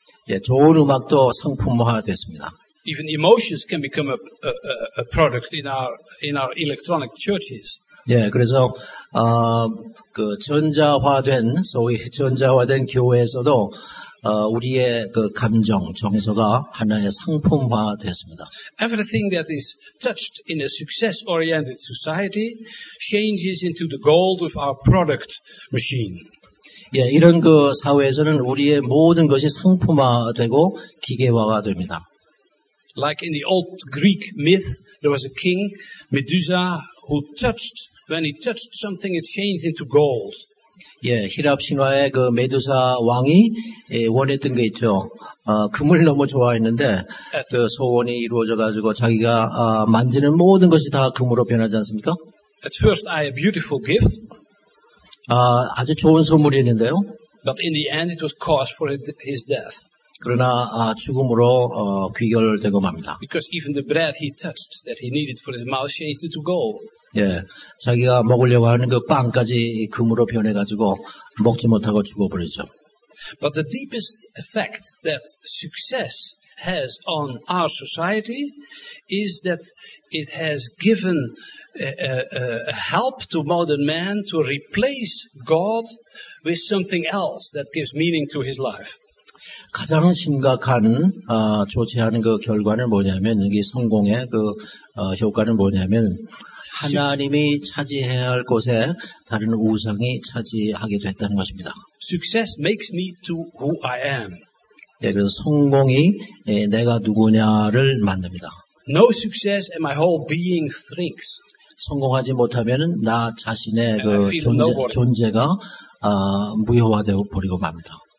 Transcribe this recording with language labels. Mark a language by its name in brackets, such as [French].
[Korean] 예, 좋은 음악도 상품화 됐습니다. [English] Even emotions can become a product in our electronic churches. [Korean] 예, 그래서 그 전자화된 소위 전자화된 교회에서도 우리의 그 감정, 정서가 하나의 상품화됐습니다. [English] Everything that is touched in a success-oriented society changes into the gold of our product machine. [Korean] 예, 이런 그 사회에서는 우리의 모든 것이 상품화되고 기계화가 됩니다. [English] Like in the old Greek myth, there was a king, Medusa, who touched. When he touched something, it changed into gold. [Korean] 예, 히랍 신화의 그 메두사 왕이 예, 원했던 게 있죠. 금을 너무 좋아했는데 그 소원이 이루어져 가지고 자기가 만지는 모든 것이 다 금으로 변하지 않습니까? [English] At first I a beautiful gift. [Korean] 아주 좋은 선물이었는데요. [English] But in the end it was cause for his death. [Korean] 그러나 죽음으로 귀결되고 맙니다. [English] Because even the bread he touched that he needed for his mouth changed into gold. [Korean] 예, 자기가 먹으려고 하는 그 빵까지 금으로 변해가지고 먹지 못하고 죽어버리죠. [English] But the deepest effect that success has on our society is that it has given help to modern man to replace God with something else that gives meaning to his life. [Korean] 가장 심각한 좋지 않은 그 결과는 뭐냐면 이 성공의 그 효과는 뭐냐면 하나님이 차지해야 할 곳에 다른 우상이 차지하게 됐다는 것입니다. [English] Success makes me to who I am. [Korean] 예, 그래서 성공이 예, 내가 누구냐를 만듭니다. [English] No success and my whole being shrinks. [Korean] 성공하지 못하면 나 자신의 그 존재가 무효화되어 버리고 맙니다.